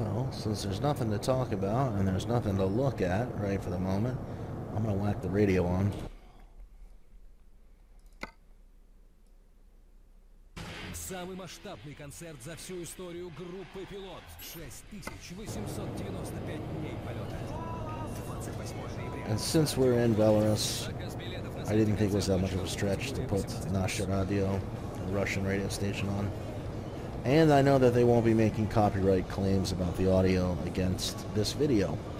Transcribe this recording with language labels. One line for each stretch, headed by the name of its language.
English: Since there's nothing to talk about and there's nothing to look at right for the moment, I'm going to whack the radio on.
Russian: Самый масштабный концерт за всю историю группы Пилот. 6895 дней полёта. 28
English: ноября. And since we're in Belarus, I didn't think it was that much of a stretch to put
Russian: наше радио,
English: the Russian radio station, on. And I know that they won't be making copyright claims about the audio against this video.